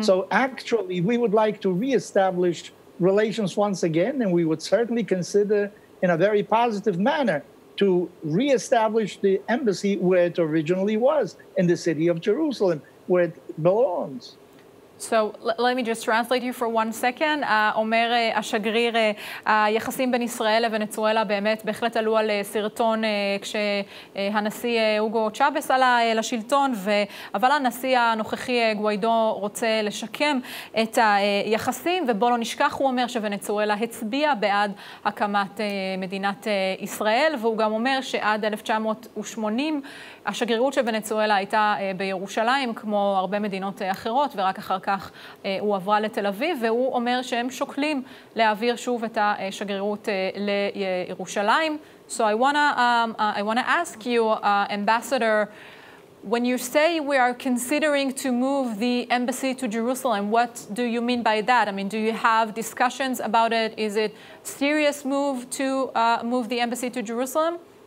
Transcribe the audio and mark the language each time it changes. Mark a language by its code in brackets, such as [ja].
[en] So actually, we would like to reestablish relations once again, and we would certainly consider in a very positive manner to reestablish the embassy where it originally was, in the city of Jerusalem, where it belongs. So let me just translate you for one second. [he] אומר השגריר, היחסים בין ישראל לוונצואלה באמת בהחלט עלו על סרטון כשהנשיא אוגו צ'אבס עלה לשלטון, אבל הנשיא הנוכחי גווידו רוצה לשקם את היחסים, ובוא לא נשכח, הוא אומר שוונצואלה הצביע בעד הקמת מדינת ישראל, והוא גם אומר שעד 1980 השגרירות של ונצואלה הייתה בירושלים, כמו הרבה מדינות אחרות, ורק אחר כך הוא עברה לתל אביב, והוא אומר שהם שוקלים להעביר שוב את השגרירות לירושלים. [en] So I want to ask you, Ambassador, when you say we are considering to move the embassy to Jerusalem, what do you mean by that? I mean, do you have discussions about it? Is it serious move to move the embassy to Jerusalem?